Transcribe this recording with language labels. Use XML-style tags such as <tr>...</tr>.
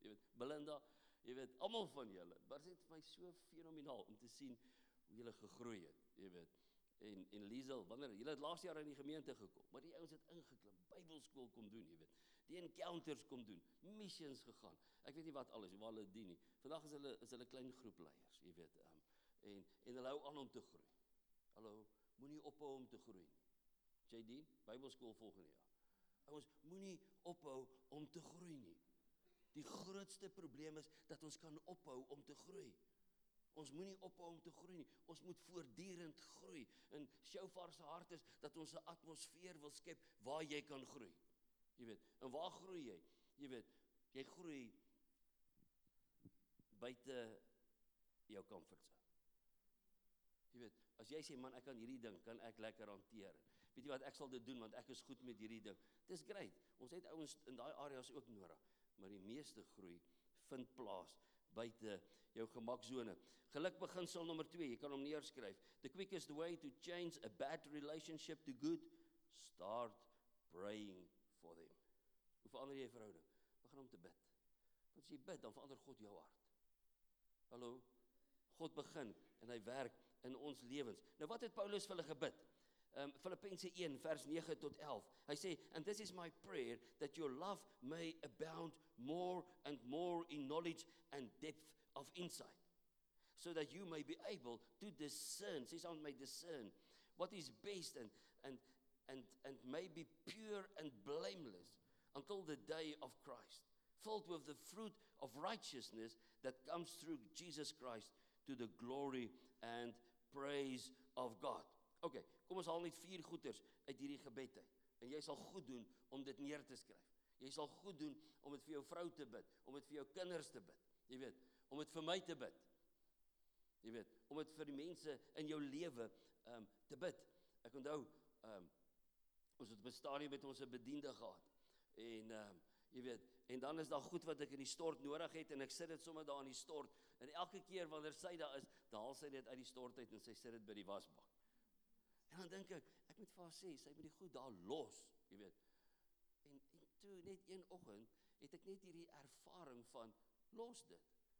<af>Jy weet, Belinda, jy weet, almal van julle. Maar dit is my so fenomenaal om te sien hoe julle gegroei het, jy weet. En Liesel, wanneer julle het laas jaar in die gemeente gekom, maar die ouens het ingeklim, Bybelskool kom doen, jy weet. Die encounters kom doen, missions gegaan. Ek weet nie wat alles, waar hulle dien nie. Vandag is hulle klein groepleiers, jy weet. En hulle hou aan om te groei. Hallo, moenie ophou om te groei. JD, Bybelskool volgende jaar. Ouens, moenie ophou om te groei nie. Die grootste probleem is dat ons kan ophou om te groei. Ons moenie ophou om te groei nie. Ons moet voortdurend groei. En Shofar se hart is dat ons 'n atmosfeer wil skep waar jy kan groei. Jy weet, en waar groei jy? Jy weet, jy groei buite jou comfort zone. Jy weet, as jy sê, man, ek kan hierdie ding, kan ek lekker hanteer. Weet jy wat, ek sal dit doen, want ek is goed met hierdie ding. Dis great. Ons het ouens in daai areas ook nodig. Maar die meeste groei vind plaas buite jou gemaksone. Geluk beginsel nommer 2, jy kan hom neerskryf.</af> <en>The quickest way to change a bad relationship to good, start praying for them.</en> <af>Hoe verander jy verhouding? Begin om te bid. Want as jy bid, dan verander God jou hart. Hallo? God begin en hy werk in ons lewens. Nou wat het Paulus vir hulle gebid? Filippense 1 vers 9 tot 11. Hy sê,</af> <en>and this is my prayer that your love may abound more and more in knowledge and depth of insight. So that you may be able to discern,</en> <af>sê saam met my</af> <en>discern, what is best and may be pure and blameless until the day of Christ. Filled with the fruit of righteousness that comes through Jesus Christ to the glory and praise of God.</en> <af>Oké, okay, kom ons haal net 4 goeders uit hierdie gebed uit. En jy sal goed doen om dit neer te skryf. Jy sal goed doen om dit vir jou vrou te bid, om dit vir jou kinders te bid, jy weet, om dit vir my te bid, jy weet, om dit vir die mense in jou lewe te bid. Ek onthou, ons het op 'n stadium met ons 'n bediende gehad, en jy weet, en dan is daar goed wat ek in die stort nodig het, en ek sit dit sommer daar in die stort, en elke keer wanneer sy daar is, haal sy dit uit die stort uit, en sy sit dit by die wasbak. En dan dink ek, ek moet vir haar sê, sy moet die goed daar los, jy weet. En toe, net een oggend, het ek net hierdie ervaring van, los dit.</af>